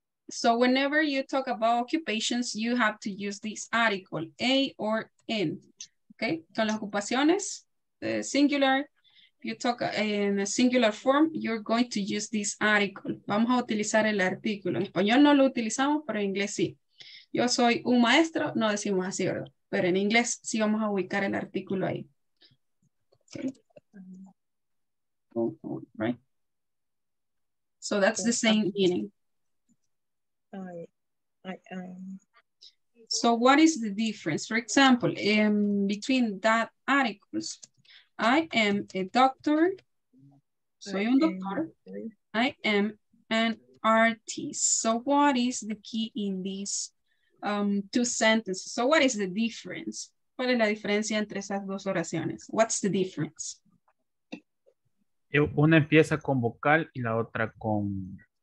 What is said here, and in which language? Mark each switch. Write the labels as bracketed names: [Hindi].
[English] So whenever you talk about occupations, you have to use this article a or n. Okay, [Spanish] con las ocupaciones, singular. [English] You talk in a singular form, you're going to use this article. [Spanish] Vamos a utilizar el artículo. En español no lo utilizamos, pero en inglés sí. Yo soy un maestro, no decimos así, ¿verdad? Pero en inglés sí vamos a ubicar el artículo ahí. Okay. [English] Right. So that's the same meaning. So what is the difference? For example, between that articles, I am a doctor, [Spanish] soy un doctor. [English] I am an artist. So what is the key in these two sentences? So what is the difference? [Spanish] ¿Cuál es la diferencia entre esas dos oraciones? [English] What's the difference? [Spanish] Una empieza con vocal y la otra con